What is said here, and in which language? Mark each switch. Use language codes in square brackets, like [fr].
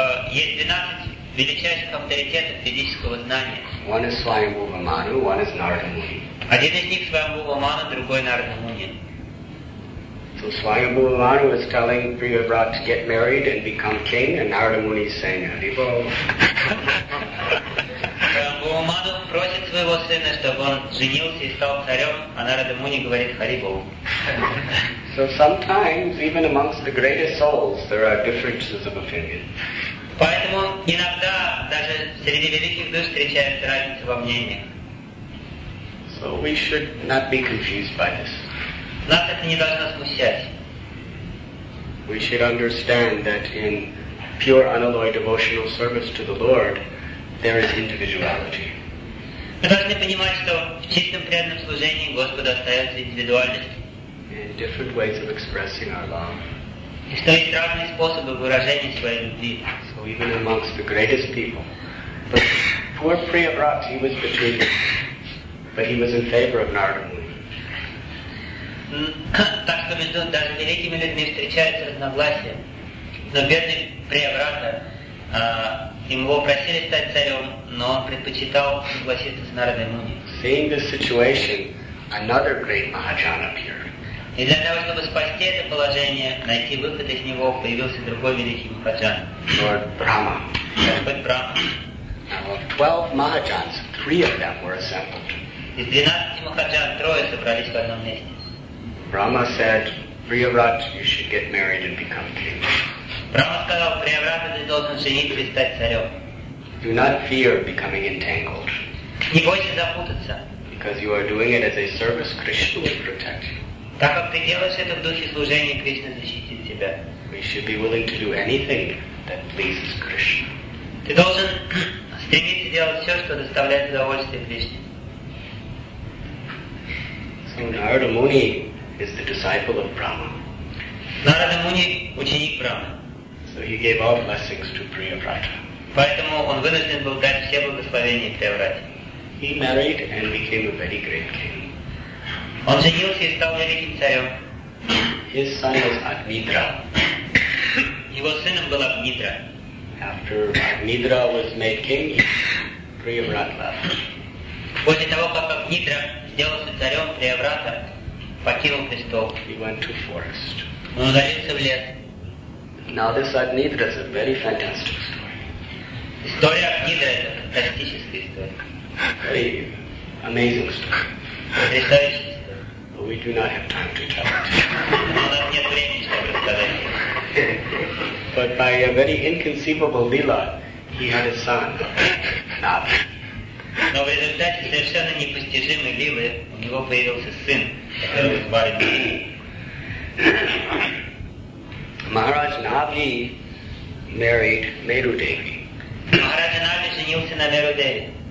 [ru] Есть 12 величайших авторитетов ведического знания. [en] One is Swayambhuva Manu, one is Narada Muni. [ru] Один из них Свайамбхува Ману, другой Нарада Муни. [en] So Swayambhuva Manu is telling Priyavrata to get married and become king, and Narada Muni is saying, Hari Bol. [ru] Swayambhuva Manu просит своего сына, чтобы он женился и стал царем, а Narada Muni говорит, Hari Bol. [en] So sometimes, even amongst the greatest souls, there are differences of opinion. [ru] Поэтому иногда даже среди великих душ встречается разница во мнениях. [en] So we should not be confused by this. [ru] Нас это не должно смущать. [en] we should understand that in pure unalloyed devotional service to the Lord, there is individuality. [ru] Мы должны понимать, что в чистом преданном служении Господу остается индивидуальность. [en] In different ways of expressing our love. [ru] И что есть разные способы выражения своей любви. [en] So even amongst the greatest people. But poor Priyavrat, he was between them. But he was in favor of Narada Muni. [ru] Так что между даже великими людьми встречаются разногласия. Но бедный Приобрата, его просили стать царем, но он предпочитал согласиться с Нарадой Муни. [en] Seeing this situation, another great Mahajan appeared. [ru] И для того, чтобы спасти это положение, найти выход из него, появился другой великий Махаджан. [en] Lord Brahma. [ru] Господь Брахма. [en] Now, of 12 Mahajans, three of them were assembled. [ru] Из 12 Махаджан трое собрались в одном месте. [en] Brahma said, Priyavrat, you should get married and become king. [ru] Brahma сказал, Priyavrat, ты должен жениться и стать царем. [en] Do not fear becoming entangled. [ru] Не бойся запутаться. [en] Because you are doing it as a service, Krishna will protect you. [ru] Так как ты делаешь это в духе служения, Кришна защитит тебя. [en] We should be willing to do anything that pleases Krishna. [ru] Ты должен стремиться делать все, что доставляет удовольствие Кришне. [en] So Narada Muni is the disciple of Brahma. [ru] Narada Muni ученик Брахмы. [en] So he gave all blessings to Priyavrata. [ru] Поэтому он вынужден был дать все благословения Приобрате. [en] He married and became a very great king. [ru] Он женился и стал великим царем. [en] His son was Agnidra. [ru] Его сыном был Агнидра. [en] After Agnidra was made king, Priyavrata left. [ru] После того, как Агнидра сделался царем, Приобрата покинул престол. [en] He went to forest. [ru] Он удалился в лес. [en] Now this Agnidra is a very fantastic story. [ru] История Агнидры — это фантастическая история. [en] Very amazing story. [ru] Потрясающая история. [en] But we do not have time to tell it. [ru] У нас нет времени, чтобы рассказать. [en] But by a very inconceivable lila, he had a son. [ru] Но в результате совершенно непостижимой лилы у него появился сын, который был барином. [en] Maharaj Navi married Meru Devi. [ru] Maharaj Navi женился на Meru Devi.